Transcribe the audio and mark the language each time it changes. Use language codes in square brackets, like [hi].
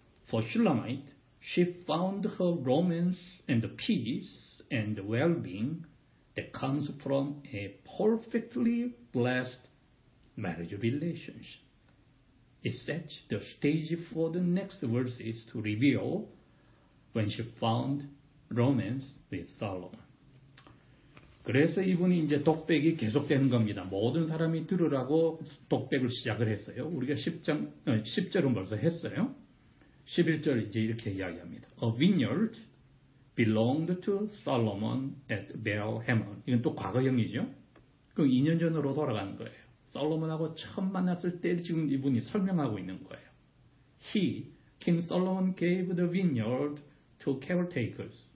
[en] For Shulamite, she found her romance and peace and well-being that comes from a perfectly blessed marriage relationship. It set the stage for the next verses to reveal when she found romance with Solomon. [ko] 그래서 이분이 이제 독백이 계속되는 겁니다. 모든 사람이 들으라고 독백을 시작을 했어요. 우리가 10절은 벌써 했어요. 11절 이제 이렇게 이야기합니다. [en] A vineyard belonged to Solomon at Baal-Hamon. [ko] 이건 또 과거형이죠. 그럼 2년 전으로 돌아가는 거예요. 솔로몬하고 처음 만났을 때 지금 이분이 설명하고 있는 거예요. [en] He, King Solomon gave the vineyard to caretakers.